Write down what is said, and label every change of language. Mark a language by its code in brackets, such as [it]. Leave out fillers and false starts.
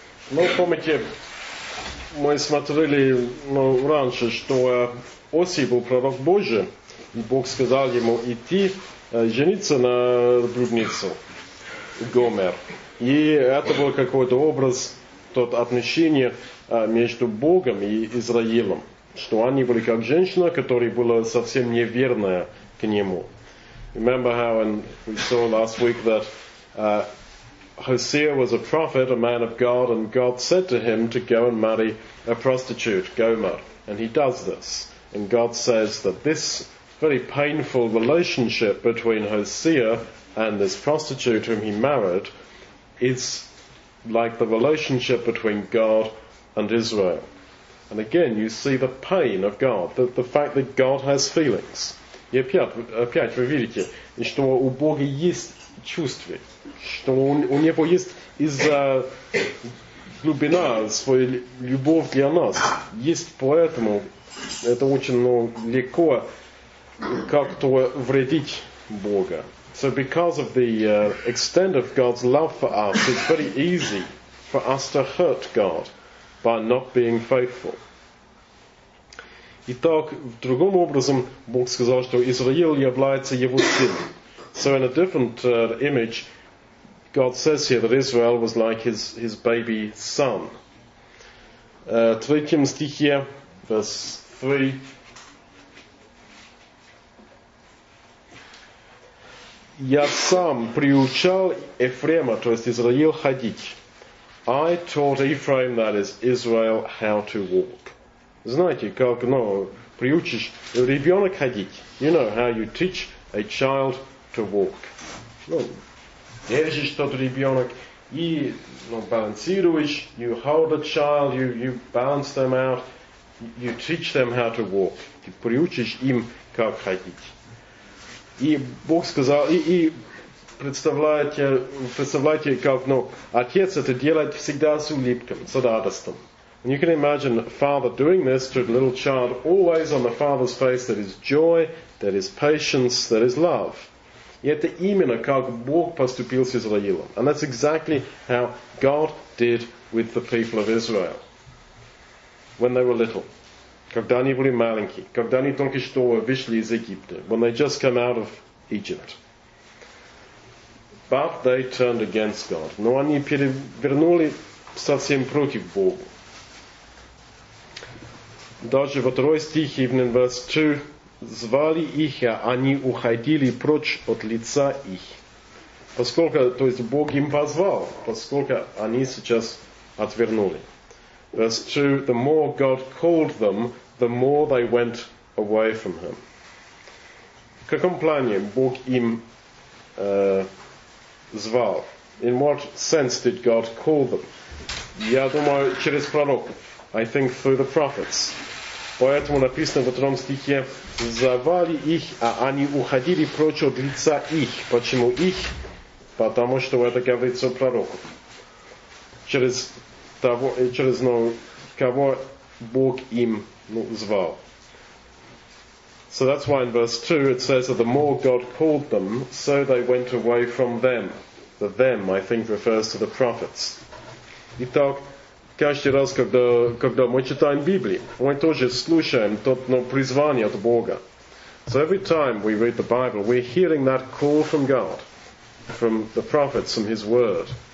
[ru] Ну, помните, мы смотрели раньше, что Оси был пророк Божий, и Бог сказал ему идти жениться на блудницу Гомер. И это был какой-то образ, тот отношение между Богом и Израилем, что они были как женщина, которая была совсем неверная к нему. [en] Remember how we saw last week that Hosea was a prophet, a man of God, and God said to him to go and marry a prostitute, Gomer. And he does this. And God says that this very painful relationship between Hosea and this prostitute whom he married is like the relationship between God and Israel. And again, you see the pain of God, the fact that God has feelings. [ru] И опять вы видите, что у Бога есть чувства, что у Него есть из-за глубина своей любовь для нас. Есть поэтому, это очень легко как-то вредить Бога. [en] So because of the extent of God's love for us, it's very easy for us to hurt God by not being faithful. [ru] Итак, другим образом, Бог сказал, что Израиль является его сыном. [en] So in a different image, God says here that Israel was like his baby son. [ru] Третьем стихе, [en] verse 3. [ru] Я сам приучал Ефрема, то есть Израиль, ходить. [en] I taught Ephraim, that is Israel, how to walk. [ru] Знаете, как, приучишь ребенок ходить. [en] You know how you teach a child to walk. [ru] Держишь тот ребенок и, балансируешь. [en] You hold a child, you balance them out. You teach them how to walk. [ru] Ты приучишь им, как ходить. И Бог сказал, и представляете, как, отец это делает всегда с улыбком, с радостом. [en] And you can imagine a father doing this to a little child, always on the father's face, that is joy, that is patience, that is love. [ru] И это именно как Бог поступил с Израилем. [en] And that's exactly how God did with the people of Israel. When they were little. [ru] Когда они были маленькие. Когда они только что вышли из Египта. [en] When they just came out of Egypt. But they turned against God. [ru] Но они перевернули совсем против Бога. Даже во второй стих, [en] even in verse 2, [ru] звали их, а они уходили прочь от лица их. Поскольку, то есть, Бог им позвал, поскольку они сейчас отвернули. [en] Verse 2, the more God called them, the more they went away from him. [ru] В каком плане Бог им звал? [en] In what sense did God call them? [ru] Я думаю, через пророков. [en] I think through the prophets. [ru] Поэтому написано в втором стихе, «Звали их, а они уходили прочь от лица их». Почему их? Потому что это говорится о пророках. Через кого Бог им звал. [en] So that's why in verse 2 it says that the more God called them, so they went away from them. The them, I think, refers to the prophets. [ru] Итак, каждый раз, когда мы читаем Библию, мы тоже слушаем тот призвание от Бога. [en] So every time we read the Bible, we're hearing that call from God, from the prophets, from His Word.